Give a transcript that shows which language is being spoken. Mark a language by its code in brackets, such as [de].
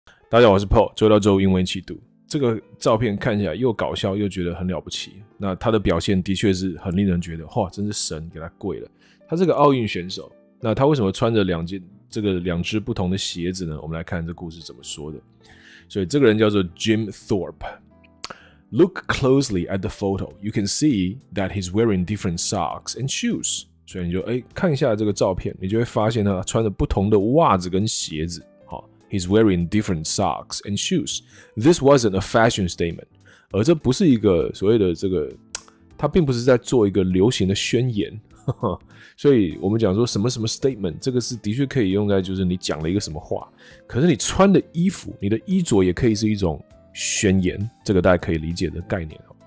[zh] 大家好，我是 Paul， 周到周英文一起读。这个照片看起来又搞笑又觉得很了不起，那他的表现的确是很令人觉得哇，真是神给他跪了。他是个奥运选手，那他为什么穿着两只不同的鞋子呢？我们来看这故事怎么说的。所以这个人叫做 Jim Thorpe。 [en] Look closely at the photo. You can see that he's wearing different socks and shoes. [zh] 所以你就看一下这个照片，你就会发现他穿着不同的袜子跟鞋子。 [en] He's wearing different socks and shoes. This wasn't a fashion statement. [zh] 而这不是一个所谓的这个，他并不是在做一个流行的宣言。所以我们讲说什么什么 statement， 这个是的确可以用在就是你讲了一个什么话。可是你穿的衣服，你的衣着也可以是一种宣言，这个大家可以理解的概念。